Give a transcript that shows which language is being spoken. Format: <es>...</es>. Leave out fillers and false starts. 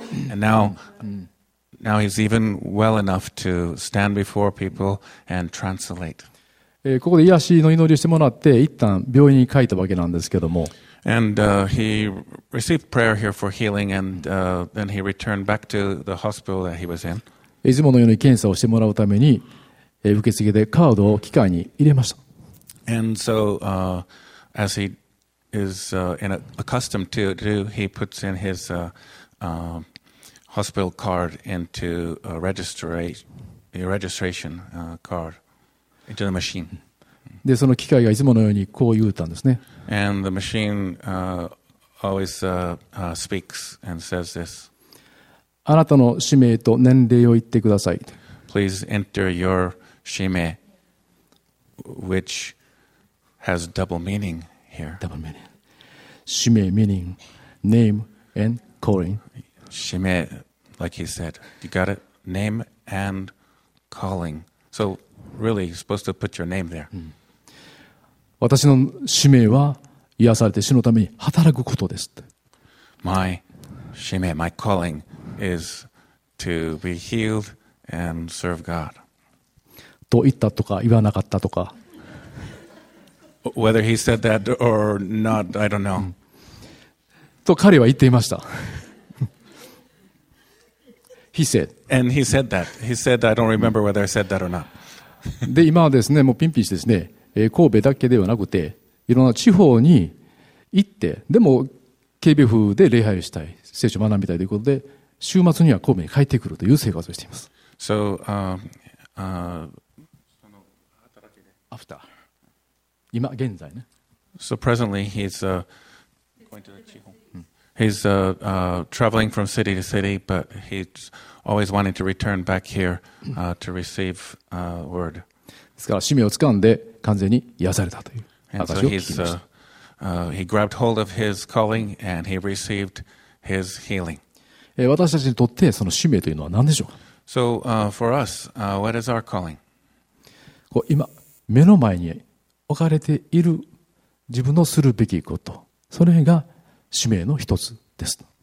<en>And now he's even well enough to stand before people and translate.</en> <ja>ここで癒しの祈りをしてもらって一旦病院に帰ったわけなんですけども。</ja> <en>And he received prayer here for healing, and then he returned back to the hospital that he was in.</en> <ja>いつものように検査をしてもらうために受付でカードを機械に入れました。</ja> <en>And so as he is accustomed to do, he puts in his hospital card into a registration card into the machine.</en> <ja>で、その機械がいつものようにこう言ったんですね。</ja> <en>And the machine always speaks and says this.</en> <ja>あなたの氏名と年齢を言ってください。</ja> <en>Please enter your 氏名, which has double meaning here. Double meaning. 氏名 meaning name and calling. 使命 like he said, you got it, name and calling. So really, you're supposed to put your name there.</en> <ja>私の使命は癒されて主のために働くことです。</ja> <en>My 使命, my calling is to be healed and serve God.</en> <ja>と言ったとか言わなかったとか。</ja> <en>Whether he said that or not, I don't know.</en> <ja>と彼は言っていました。</ja> <en>He said. And he said that. He said, I don't remember whether I said that or not.</en> <ja>で、今はですね、もうピンピンしてですね、神戸だけではなくて、いろんな地方に行って、でも、KBF で礼拝をしたい、聖書を学びたいということで、週末には神戸に帰ってくるという生活をしています。</ja> <en>So, after.</en> <ja>今、現在ね。</ja> <en>So, presently, he's going to the 地方。 He's traveling from city to city, but he's always wanting to return back here to receive word.</en> <ja>ですから使命をつかんで完全に癒されたという話を聞きました。</ja> <en>And so he grabbed hold of his calling and he received his healing.</en> <ja>私たちにとってその使命というのは何でしょうか。</ja> <en>So for us, what is our calling?</en> <ja>こう今目の前に置かれている自分のするべきこと、それが使命の一つです。</ja>